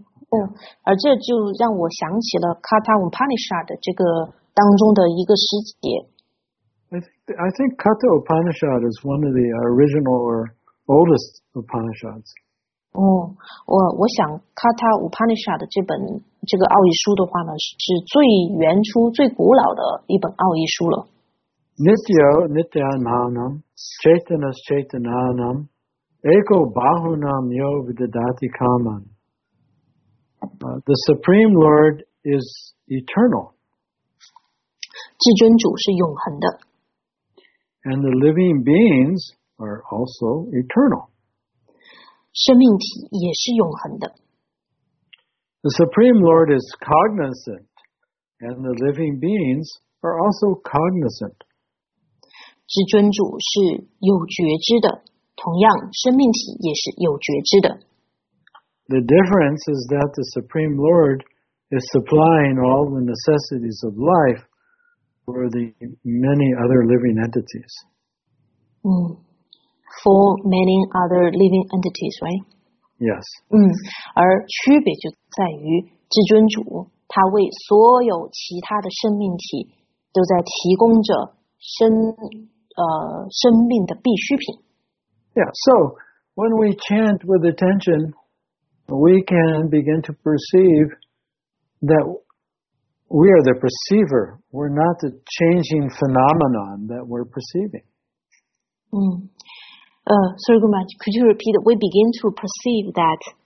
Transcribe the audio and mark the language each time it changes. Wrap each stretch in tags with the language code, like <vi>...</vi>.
<zh>Oh, 而这就让我想起了 Katha Upanishad 这个当中的一个诗节。</zh> <en>I think Katha Upanishad is one of the original or oldest Upanishads.</en> <zh>我想 Katha Upanishad 这本这个奥义书的话呢，是最原初、最古老的一本奥义书了。</zh> <sa>Nityo Nityanam Chaitanas Chaitananam Eko Bahunam Yo Vidadati Kaman.</sa> <en>The Supreme Lord is eternal.</en> <zh>至尊主是永恒的。</zh> <en>And the living beings are also eternal.</en> <zh>生命体也是永恒的。</zh> <en>The Supreme Lord is cognizant, and the living beings are also cognizant.</en> <zh>至尊主是有觉知的，同样生命体也是有觉知的。</zh> <en>The difference is that the Supreme Lord is supplying all the necessities of life for the many other living entities. For many other living entities, right? Yes.</en> <zh>而区别就在于至尊主他为所有其他的生命体都在提供着生命的必需品。</zh> <en>Yeah, so when we chant with attention,We can begin to perceive that we are the perceiver. We're not the changing phenomenon that we're perceiving. Sorry, Gumaj, could you repeat it? We begin to perceive that.</en>